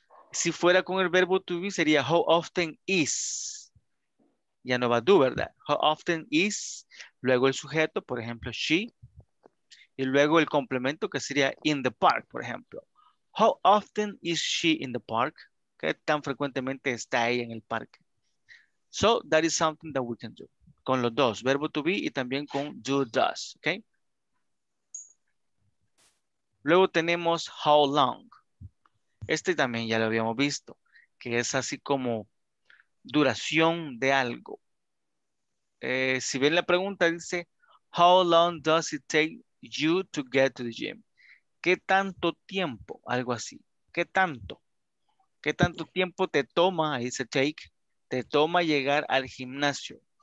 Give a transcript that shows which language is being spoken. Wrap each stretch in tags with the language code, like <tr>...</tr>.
<es>Si fuera con el verbo to be, sería</es> <en>how often is.</en> <es>Ya no va do, ¿verdad?</es> <en>How often is,</en> <es>luego el sujeto, por ejemplo, she. Y luego el complemento que sería in the park, por ejemplo.</es> <en>How often is she in the park?</en> <es>¿Qué tan frecuentemente está ella en el parque?</es> <en>So, that is something that we can do.</en> <es>Con los dos, verbo to be y también con do, does. Okay? Luego tenemos</es> <en>how long.</en> <es>Este también ya lo habíamos visto, que es así como duración de algo. Si ven la pregunta, dice,</es> <en>how long does it take you to get to the gym?</en> <es>¿Qué tanto tiempo? Algo así. ¿Qué tanto? ¿Qué tanto tiempo te toma? Dice take. Te toma llegar al gimnasio.</es>